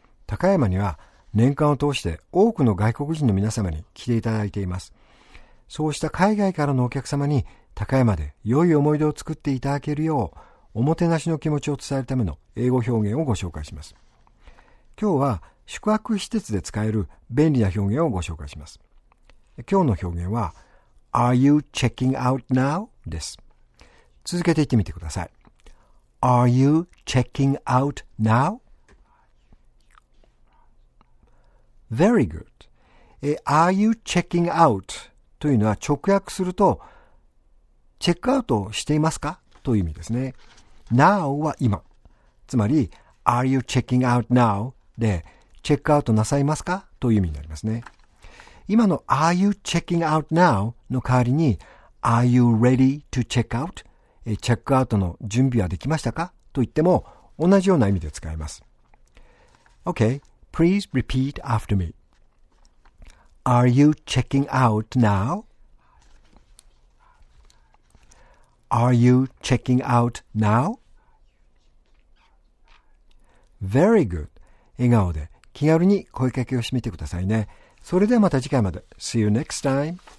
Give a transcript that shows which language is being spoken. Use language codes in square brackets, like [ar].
[ja] 高山には年間を通して多くの外国人の皆様に来ていただいています。そうした海外からのお客様に高山で良い思い出を作っていただけるよう、おもてなしの気持ちを伝えるための英語表現をご紹介します。今日は宿泊施設で使える便利な表現をご紹介します。今日の表現は、 [en] Are you checking out now? [ja] です。続けて言ってみてください。 [en] Are you checking out now? Very good. Are you checking out? [ja] というのは直訳すると、チェックアウトしていますか? という意味ですね。Now は今。つまり、 [en] Are you checking out now? [ja] で、チェックアウトなさいますか?という意味になりますね。今の [en] Are you checking out now? [ja] の代わりに、 [en] Are you ready to check out? [ja] チェックアウトの準備はできましたか?と言っても同じような意味で使えます。 [en] Okay, please repeat after me. Are you checking out now? Are you checking out now? Very good. [ja] 笑顔で気軽に声かけをしてみてくださいね。それではまた次回まで。 [en] See you next time.